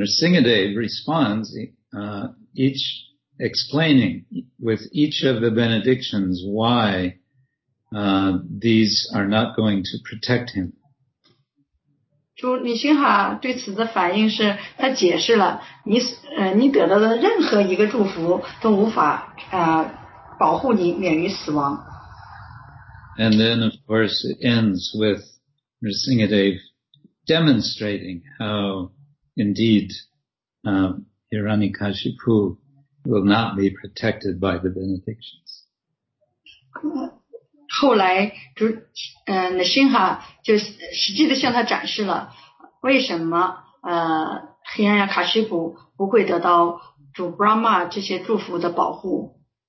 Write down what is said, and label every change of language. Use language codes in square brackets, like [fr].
[en] Nrsingadev responds each explaining with each of the benedictions why these are not going to protect him. [zh] 主你星哈对此的反应是他解释了你得到的任何一个祝福都无法保护你免于死亡。 [en] And then, of course, it ends with Nrsimhadev demonstrating how, indeed, Hiranyakashipu will not be protected by the benedictions. [zh] 后来，Nrsimha就实际地向他展示了为什么Hiranyakashipu不会得到主 Brahma 这些祝福的保护。